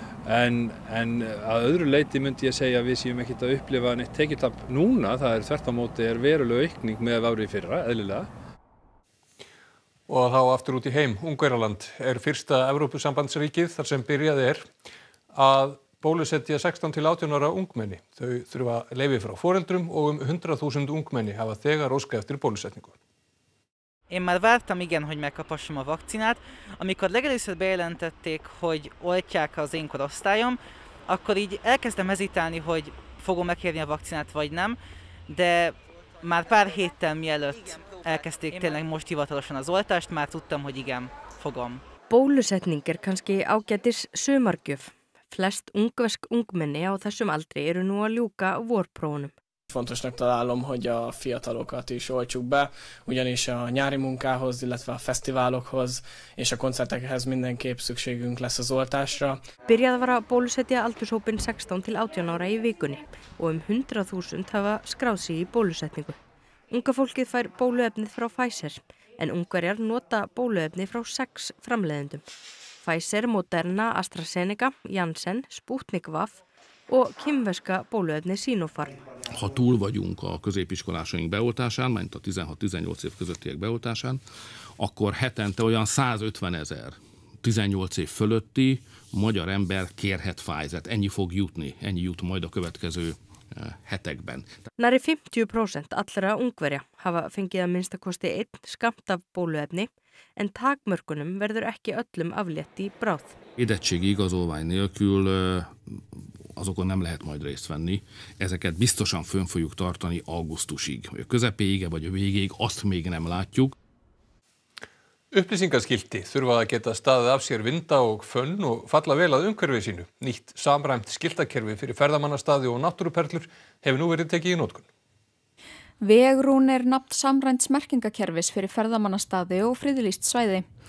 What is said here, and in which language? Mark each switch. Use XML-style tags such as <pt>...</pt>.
<is>En að öðru leiti myndi ég segja að við séum ekkit að upplifa neitt tekjutap núna, það er þvert á móti er veruleg aukning með árið í fyrra, eðlilega. Og þá aftur út í heim, Ungverjaland er fyrsta Evrópusambandsríkið þar sem byrjað er að bólusetja 16 til 18 ára ungmenni. Þau þurfa leyfi frá foreldrum og 100.000 ungmenni hafa þegar óskað eftir bólusetningu.</is> <hu>Én már vártam igen, hogy megkapassam a vakcinát. Amikor legelőször bejelentették, hogy oltják az én korosztályom, akkor így elkezdtem hezitálni, hogy fogom megkérni a vakcinát vagy nem, de már pár héttel mielőtt elkezdték tényleg most hivatalosan az oltást, már tudtam, hogy igen, fogom.</hu> <is>Bólusetning er kannski ágætis sumargjöf. Flest ungversk ungmenni á þessum aldri eru nú að ljúka vorprófunum.</is> <hu>Fontosnak találom, hogy a fiatalokat is oltsuk be, ugyanis a nyári munkához, illetve a fesztiválokhoz és a koncertekhez mindenképp szükségünk lesz az oltásra.</hu> <is>Byrjað var að bólusetja aldurshópin 16 til 18 ára í vikunni og 100.000 hafa skráð sig í bólusetningu. Unga fólkið fær bóluefnið frá Pfizer, en ungverjar nota bóluefnið frá 6 framleiðendum. Pfizer, Moderna, AstraZeneca, Janssen, Sputnik Vaf og kimveska bóluefni Sinopharm.</is> <hu>Ha túl vagyunk a középiskolásaink beoltásán, mint a 16-18 év közöttiek beoltásán, akkor hetente olyan 150.000 18 év fölötti magyar ember kérhet Pfizert. Ennyi fog jutni, ennyi jut majd a következő hetekben.</hu> <is>Nari 50% allra ungverja hafa fengið að minnsta kosti einn skammt af bóluefni, en takmörkunum verður ekki öllum aflétt í bráð.</is> <hu>Edettségi igazolvány nélkül azokon nem lehet majd részt venni. Ezeket biztosan fönn fogjuk tartani augusztusig. A közepéig, vagy a végéig azt még nem látjuk.</hu> <is>Upplýsingaskilti þurfa að geta staðið af sér vinda og fönn og falla vel að umhverfi sínu. Nýtt samræmt skiltakerfi fyrir ferðamannastaði og náttúruperlur hefur nú verið tekið í notkun. Vegrún er nafn samræmts merkingakerfis fyrir ferðamannastaði og friðlýst svæði.</is>